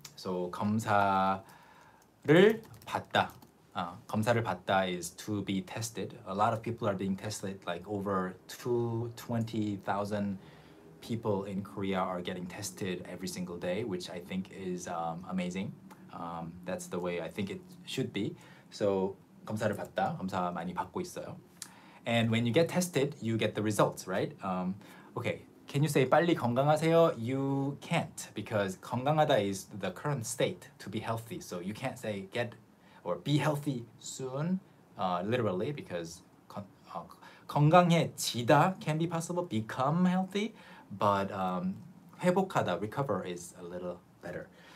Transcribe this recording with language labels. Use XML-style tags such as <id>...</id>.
<en>So 검사를 받다, 검사를 받다 is to be tested. A lot of people are being tested, like over 20,000 people in Korea are getting tested every single day, which I think is amazing. That's the way I think it should be.</en> <ko>So 검사를 받다, 검사 많이 받고 있어요.</ko> <en>And when you get tested, you get the results, right? Okay, can you say</en> <ko>빨리 건강하세요?</ko> <en>You can't, because 건강하다 is the current state, to be healthy. So you can't say get or be healthy soon, literally, because 건강해지다 can be possible, become healthy, but 회복하다, recover, is a little better.</en>